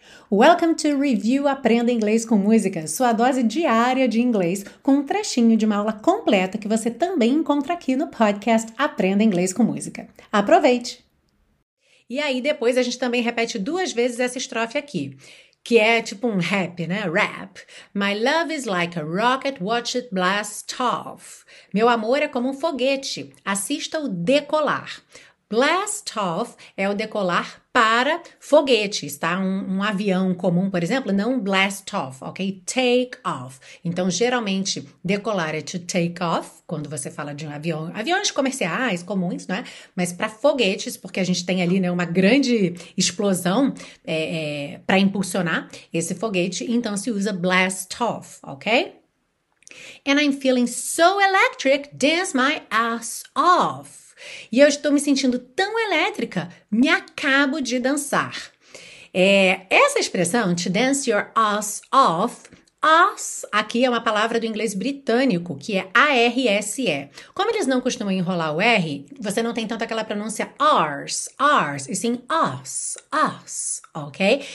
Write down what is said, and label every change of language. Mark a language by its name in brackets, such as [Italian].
[English] Welcome to [Portuguese] Review Aprenda Inglês com Música, sua dose diária de inglês, com um trechinho de uma aula completa que você também encontra aqui no podcast Aprenda Inglês com Música. Aproveite! E aí, depois a gente também repete duas vezes essa estrofe aqui, que é tipo um rap, né? Rap. [English] My love is like a rocket, watch it blast off. [Portuguese] Meu amor é como um foguete, assista-o decolar. Blast off é o decolar para foguetes, tá? Um avião comum, por exemplo, não blast off, ok? [English] Take off. [Portuguese] Então, geralmente, decolar é to take off, quando você fala de um avião. Aviões comerciais, comuns, né? Mas para foguetes, porque a gente tem ali, né, uma grande explosão para impulsionar esse foguete, então se usa blast off, ok? [English] And I'm feeling so electric, dance my ass off. [Portuguese] E eu estou me sentindo tão elétrica, me acabo de dançar. Essa expressão, to dance your ass off, ass aqui é uma palavra do inglês britânico, que é A-R-S-E. Como eles não costumam enrolar o R, você não tem tanto aquela pronúncia ars, ars, e sim ass, ass, ok?